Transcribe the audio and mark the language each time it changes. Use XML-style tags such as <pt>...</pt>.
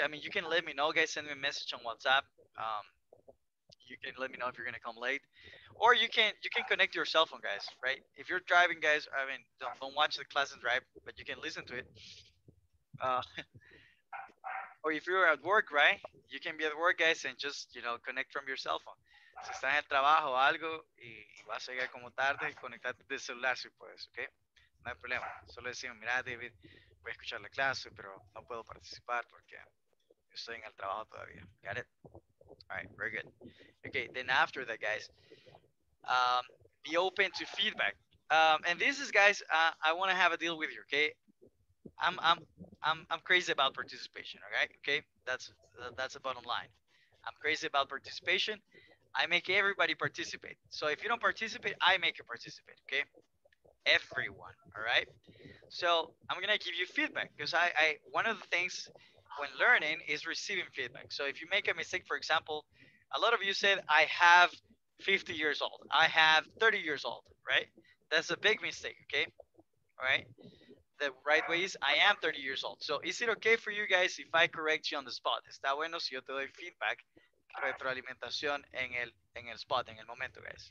<en>I mean, you can let me know, guys. Send me a message on WhatsApp. You can let me know if you're going to come late. Or you can connect your cell phone, guys, right? If you're driving, guys, I mean, don't watch the class and drive, but you can listen to it. Or if you're at work, right? You can be at work, guys, and just, you know, connect from your cell phone.</en> <es>Si estás en el trabajo o algo, y vas a llegar como tarde, conectate de celular si puedes, okay? No hay problema. Solo decimos, mira, David, voy a escuchar la clase, pero no puedo participar porque estoy en el trabajo todavía.</es> <en>Got it? All right, very good. Okay, then after that, guys, be open to feedback. And this is, guys, I want to have a deal with you, okay? I'm crazy about participation, all right? Okay, that's the bottom line. I'm crazy about participation. I make everybody participate. So if you don't participate, I make you participate, okay? Everyone, all right? So I'm gonna give you feedback because I one of the things when learning is receiving feedback. So if you make a mistake, for example, a lot of you said, I have 50 years old, I have 30 years old, right? That's a big mistake, okay? All right? The right way is, I am 30 years old. So is it okay for you guys if I correct you on the spot?</en> <es>Está bueno si yo te doy feedback, retroalimentación en el spot, en el momento, guys.</es>